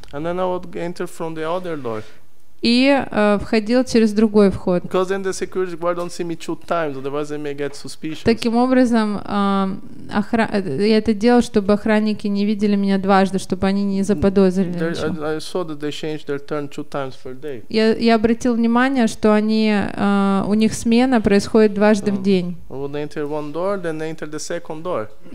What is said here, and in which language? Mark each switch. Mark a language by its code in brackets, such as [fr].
[en] And then I would enter from the other door. [ru] И входил через другой вход. [en] Because then the security guard don't see me two times, otherwise they may get suspicious. [ru] Таким образом, я это делал, чтобы охранники не видели меня дважды, чтобы они не заподозрили ничего. [en] I saw that they changed their turn two times per day. [ru] Я обратил внимание, что они у них смена происходит дважды в день. [en] I would enter one door, then enter the second door.